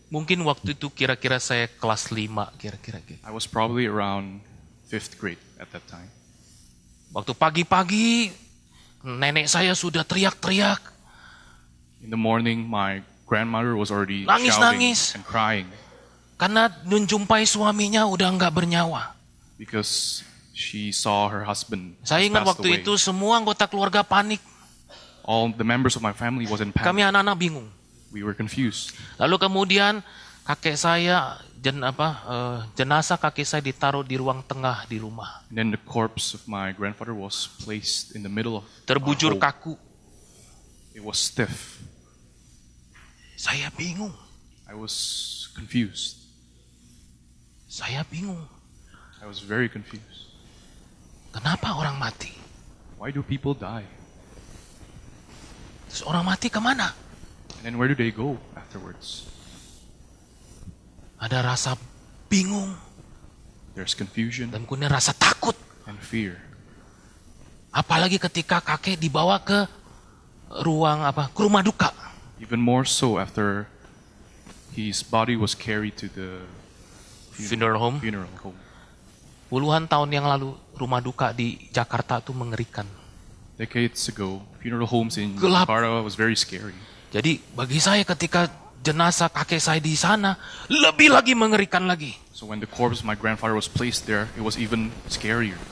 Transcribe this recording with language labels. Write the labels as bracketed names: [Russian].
[Indonesian] Mungkin waktu itu kira-kira saya kelas 5 kira-kira gitu. [English] I was probably around 5th grade at that time. [Indonesian] Waktu pagi-pagi nenek saya sudah teriak-teriak. [English] In the morning my grandmother was already [Indonesian] nangis-nangis [English] and crying. [Indonesian] Karena menjumpai suaminya udah enggak bernyawa. [English] Because she saw her husband. [Indonesian] Saya ingat waktu itu semua anggota keluarga panik. [English] All the members of my family was in panic. [Indonesian] Kami anak-anak bingung. [English] We were confused. [Indonesian] Lalu kemudian kakek saya jenazah kakek saya ditaruh di ruang tengah di rumah. [English] And then the corpse of my grandfather was placed in the middle of our home. [Indonesian] Terbujur kaku. [English] It was stiff. [Indonesian] Saya bingung. [English] I was confused. [Indonesian] Saya bingung. [English] I was very confused. [Indonesian] Kenapa orang mati? [English] Why do people die? [Indonesian] Terus orang mati kemana? [English] And then where do they go afterwards? [Indonesian] Ada rasa bingung. [English] There's confusion. [Indonesian] Dan kemudian rasa takut. [English] And fear. [Indonesian] Apalagi ketika kakek dibawa ke ruang apa? Ke rumah duka. [English] Even more so after his body was carried to the funeral home. [Indonesian] Puluhan tahun yang lalu rumah duka di Jakarta itu mengerikan. [English] Decades ago, funeral homes in Jakarta was very scary. [Indonesian] Jadi bagi saya ketika jenazah kakek saya di sana lebih lagi mengerikan lagi. [English] So when the corpse of my grandfather was placed there, it was even scarier.